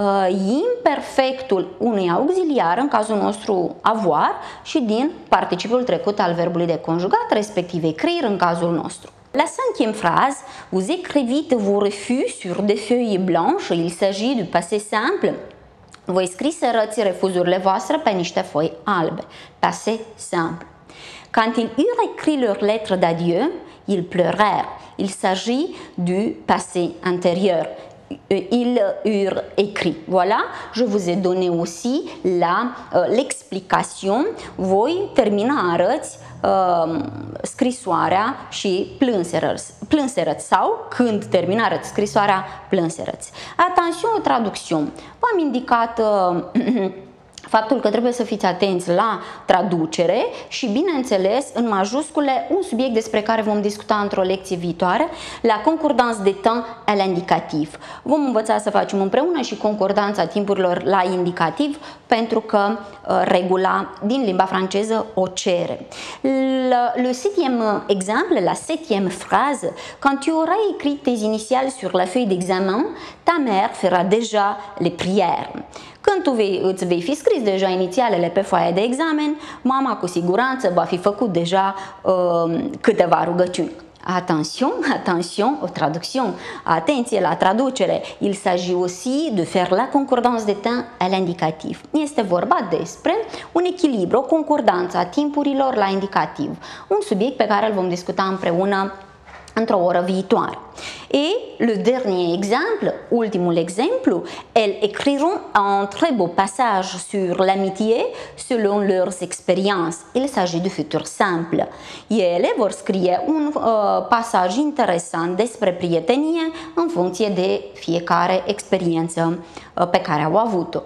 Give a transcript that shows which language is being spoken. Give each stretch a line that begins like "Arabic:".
Romanian: imperfectul unui auxiliar, în cazul nostru avoir, și din participul trecut al verbului de conjugat, respectiv écrire, în cazul nostru.
French: La cinquième phrase, vous écrivez vos refus sur des feuilles blanches, il s'agit du passé simple.
Romanian: Voi scriserați refuzurile voastre pe niște foi albe.
French: Passé simple. Quand ils eurent écrit leur lettre d'adieu, ils pleurèrent. Il s'agit du passé antérieur. Ils eurent écrit. Voilà, je vous ai donné aussi l'explication.
Romanian: Voi terminarăți scrisoarea și plânserăți sau când terminarăți scrisoarea, plânserăți.
French: Attention, traduction.
Romanian: V-am indicat faptul că trebuie să fiți atenți la traducere și, bineînțeles, în majuscule, un subiect despre care vom discuta într-o lecție viitoare,
French: la concordance de temps à l'indicatif.
Romanian: Vom învăța să facem împreună și concordanța timpurilor la indicativ, pentru că regula din limba franceză o cere.
French: Le septième exemple, la septième phrase, quand tu auras écrit tes initiales sur la feuille d'examen, ta mère fera déjà les prières.
Romanian: Când tu îți vei fi scris deja inițialele pe foaia de examen, mama cu siguranță va fi făcut deja câteva rugăciuni.
French: Attention, attention,
Romanian: o traducție. Atenție la traducere.
French: Il s'agit aussi de faire la concordance de temps à l'indicatif.
Romanian: Este vorba despre un echilibru, o concordanță a timpurilor la indicativ. Un subiect pe care îl vom discuta împreună într-o oră viitoare.
French: Et le dernier exemple,
Romanian: ultimul exemplu,
French: elles écriront un très beau passage sur l'amitié selon leurs expériences. Il s'agit du futur simple.
Romanian: Ele vor scrie un pasaj interesant despre prietenie în funcție de fiecare experiență pe care au avut-o.